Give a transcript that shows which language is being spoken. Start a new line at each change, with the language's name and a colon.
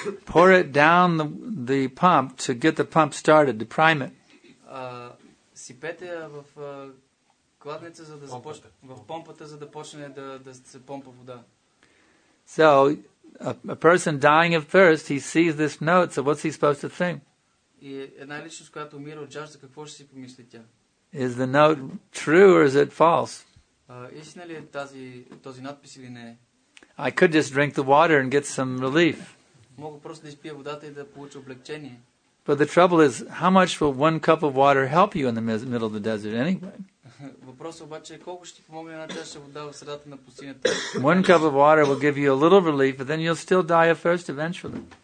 English: Pour it down the pump to get the pump started, to prime it.
Bulgarian: Сипете в кладница, за да започне, в помпата, за да почне да се помпа вода.
English: So, a person dying of thirst, he sees this note, so what's he supposed to think?
Bulgarian: И една личност, която умира от жажда, какво ще си помисли тя?
English: Is the note true or is it false?
Bulgarian: Истина ли е този надпис или не?
English: I could just drink the water and get some relief.
Bulgarian: Мога просто да изпия водата и да получа облегчение.
English: But the trouble is, how much will one cup of water help you in the middle of the desert anyway?
Bulgarian: Въпросът обаче е, колко ще ти помогне една чаша вода в средата на пустинята?
English: One cup of water will give you a little relief, but then you'll still die of thirst eventually.